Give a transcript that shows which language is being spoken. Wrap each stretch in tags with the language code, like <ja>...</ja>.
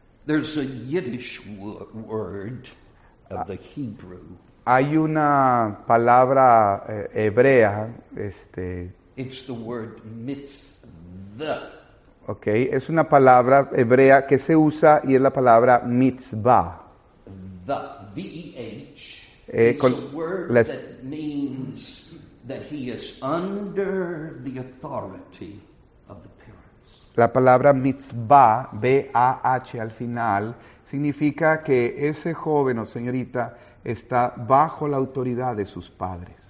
<en>There's a Yiddish word of the Hebrew.</en> <es>Hay una palabra hebrea,</es> <en>It's the word mitzvah.</en> <es>Okay, es una palabra hebrea que se usa y es la palabra mitzvah.</es> <en>The V-E-H. It's a word that means that he is under the authority of the parents.</en> <es>La palabra mitzvah, B-A-H al final, significa que ese joven o señorita está bajo la autoridad de sus padres.</es>